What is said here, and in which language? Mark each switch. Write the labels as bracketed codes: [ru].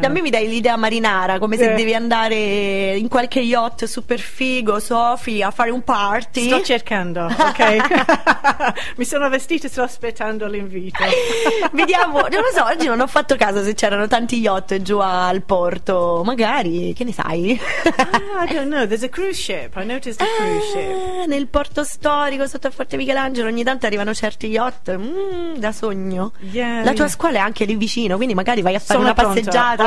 [it] Da me mi dai l'idea marinara, come se devi andare in qualche yacht super figo, Sophie, a fare un party. Sto cercando, ok? Mi sono vestita e sto aspettando l'invito. Vediamo, non lo so, oggi non ho fatto caso se c'erano tanti yacht giù al porto. Magari, che ne sai? [en] I don't know, there's a cruise ship, I noticed a cruise ship. [it] Nel porto storico, sotto il Forte Michelangelo, ogni tanto arrivano certi yacht, da sogno. [en] Yeah, [it] la tua scuola è anche lì vicino, quindi magari vai a fare una passeggiata.